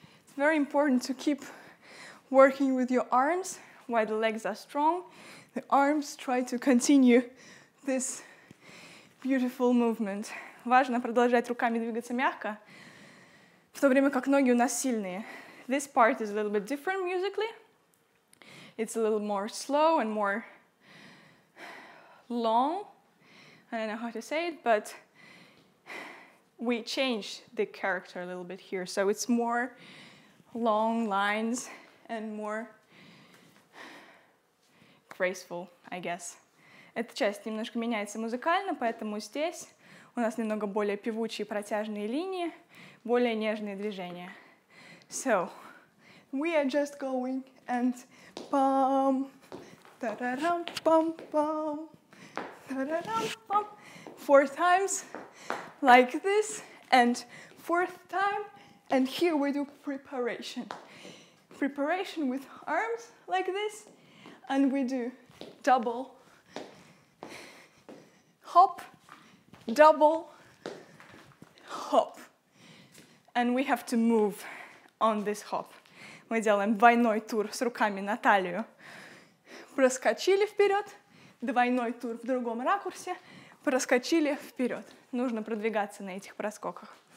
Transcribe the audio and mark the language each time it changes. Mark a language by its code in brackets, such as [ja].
[en] It's very important to keep working with your arms while the legs are strong. The arms try to continue this beautiful movement. [ru] Важно продолжать руками двигаться мягко, в то время как ноги у нас сильные. [en] This part is a little bit different musically. It's a little more slow and more long. I don't know how to say it, but we change the character a little bit here. So it's more long lines and more graceful, I guess. [ru] Эта часть немножко меняется музыкально, поэтому здесь у нас немного более певучие протяжные линии, более нежные движения. [en] So, we are just going and pam, tararam, pam, pam, tararam, pam. Four times like this, and fourth time, and here we do preparation. Preparation with arms like this, and we do double hop, double hop, and we have to move on this hop. [ru] Мы делаем двойной тур с руками на талию. Проскочили вперед, двойной тур в другом ракурсе, проскочили вперед. Нужно продвигаться на этих проскоках.